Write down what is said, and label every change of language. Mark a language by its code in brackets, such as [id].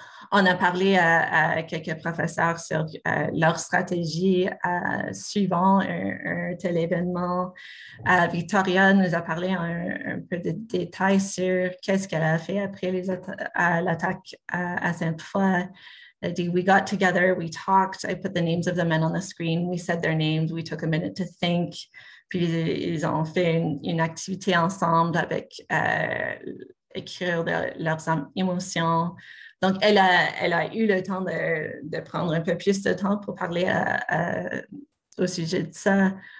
[fr] on a parlé à quelques professeurs sur leur stratégie suivant un tel événement. Victoria nous a parlé un peu de détails sur qu'est-ce qu'elle a fait après l'attaque à Sainte-Foy. [en] We got together, we talked, I put the names of the men on the screen, we said their names, we took a minute to think. [fr] Puis ils ont fait une activité ensemble avec écrire leurs émotions. Donc, elle a eu le temps de prendre un peu plus de temps pour parler au sujet de ça.